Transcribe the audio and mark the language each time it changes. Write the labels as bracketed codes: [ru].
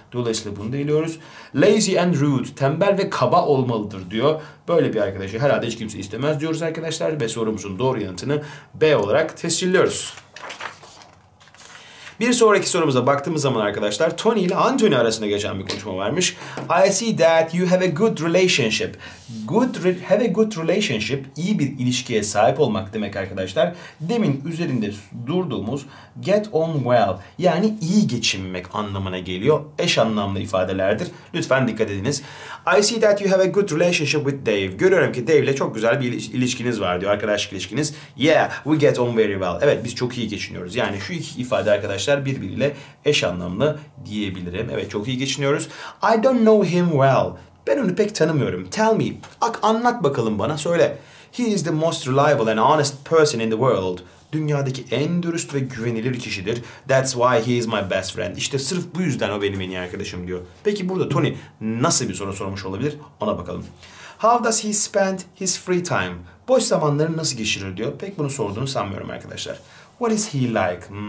[tr] Dolayısıyla bunu da eliyoruz. [en] Lazy and rude. [tr] Tembel ve kaba olmalıdır diyor. Böyle bir arkadaşı herhalde hiç kimse istemez diyoruz arkadaşlar. Ve sorumuzun doğru yanıtını B olarak tescilliyoruz. Bir sonraki sorumuza baktığımız zaman arkadaşlar Tony ile Anthony arasında geçen bir konuşma varmış. [en] I see that you have a good relationship. Have a good relationship, [tr] iyi bir ilişkiye sahip olmak demek arkadaşlar. Demin üzerinde durduğumuz get on well yani iyi geçinmek anlamına geliyor. Eş anlamlı ifadelerdir. Lütfen dikkat ediniz. [en] I see that you have a good relationship with Dave. [tr] Görüyorum ki Dave ile çok güzel bir ilişkiniz var diyor. Arkadaşlık ilişkiniz. [en] Yeah, we get on very well. [tr] Evet biz çok iyi geçiniyoruz. Yani şu iki ifade arkadaşlar. Birbiriyle eş anlamlı diyebilirim. Evet çok iyi geçiniyoruz. [en] I don't know him well. [tr] Ben onu pek tanımıyorum. [en] Tell me. [tr] Anlat bakalım bana söyle. [en] He is the most reliable and honest person in the world. [tr] Dünyadaki en dürüst ve güvenilir kişidir. [en] That's why he is my best friend. [tr] İşte sırf bu yüzden o benim en iyi arkadaşım diyor. Peki burada Tony nasıl bir soru sormuş olabilir? Ona bakalım. [en] How does he spend his free time? [tr] Boş zamanlarını nasıl geçirir diyor. Pek bunu sorduğunu sanmıyorum arkadaşlar. [en] What is he like?